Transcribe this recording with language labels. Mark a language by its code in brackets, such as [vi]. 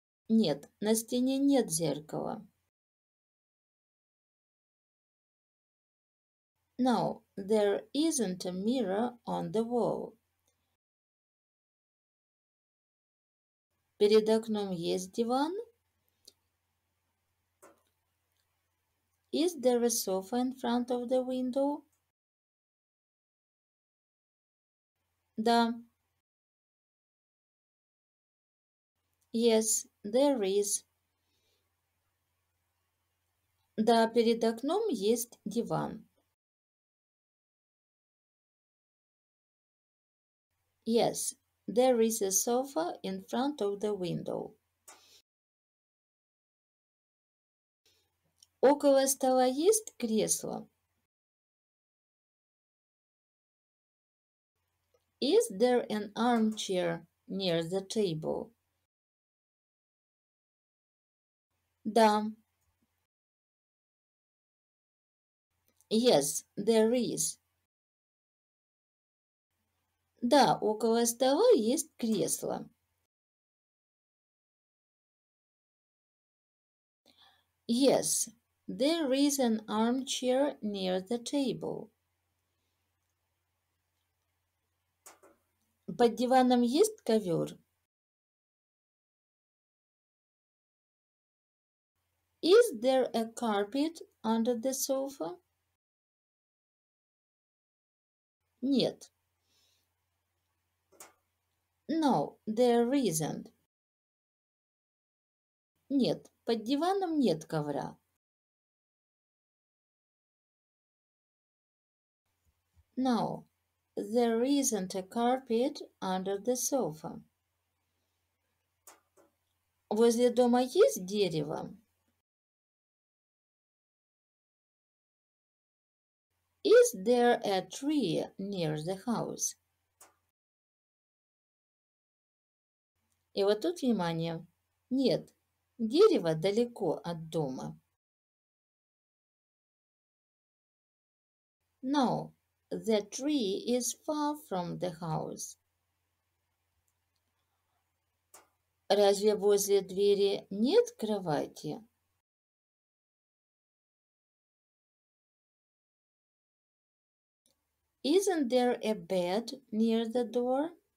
[ru] Нет, на стене нет зеркала. [en] No, there isn't a mirror on the wall. [ru] Перед окном есть диван? [en] Is there a sofa in front of the window? [ru] Да. [en] Yes, there is. [ru] Да, перед окном есть диван. [en] Yes, there is a sofa in front of the window. [ru] Около стола есть кресло? [en] Is there an armchair near the table? [ru] Да. [en] Yes, there is. [ru] Да, около стола есть кресло. [en] Yes, there is an armchair near the table. [ru] Под диваном есть ковер? [en] Is there a carpet under the sofa? [ru] Нет. [en] No, there isn't. [ru] Нет, под диваном нет ковра. [en] No, there isn't a carpet under the sofa. [ru] Возле дома есть дерево? [en] Is there a tree near the house? [ru] И вот тут внимание. Нет, дерево далеко от дома. [en] No, the tree is far from the house. [ru] Разве возле двери нет кровати? [en] Isn't there a bed near the door?